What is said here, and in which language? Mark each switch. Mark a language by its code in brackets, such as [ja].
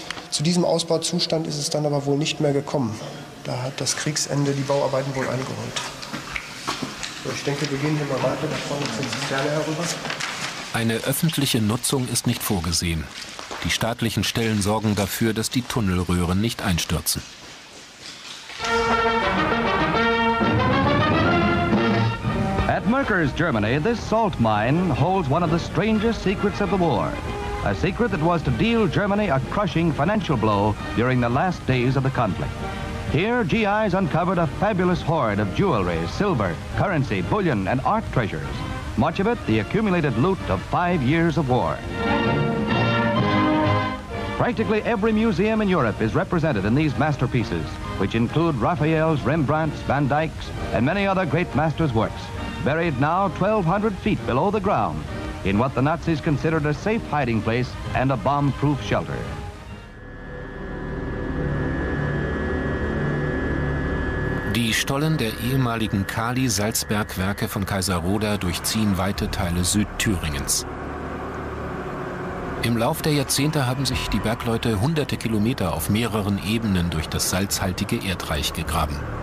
[de] Zu diesem Ausbauzustand ist es dann aber wohl nicht mehr gekommen. Da hat das Kriegsende die Bauarbeiten wohl eingeholt. So, ich denke, wir gehen hier mal weiter, da vorne sind die Sterne herüber. Eine öffentliche Nutzung ist nicht vorgesehen. Die staatlichen Stellen sorgen dafür, dass die Tunnelröhren nicht einstürzen. [en] At Merkers, Germany, this salt mine holds one of the strangest secrets of the war. A secret that was to deal Germany a crushing financial blow during the last days of the conflict. Here, GIs uncovered a fabulous hoard of jewelry, silver, currency, bullion and art treasures. Much of it, the accumulated loot of 5 years of war. Practically every museum in Europe is represented in these masterpieces, which include Raphael's, Rembrandt's, Van Dyck's, and many other great masters' works, buried now 1,200 feet below the ground in what the Nazis considered a safe hiding place and a bomb-proof shelter. [de] Die Stollen der ehemaligen Kali-Salzbergwerke von Kaiserroda durchziehen weite Teile Südthüringens. Im Lauf der Jahrzehnte haben sich die Bergleute hunderte Kilometer auf mehreren Ebenen durch das salzhaltige Erdreich gegraben.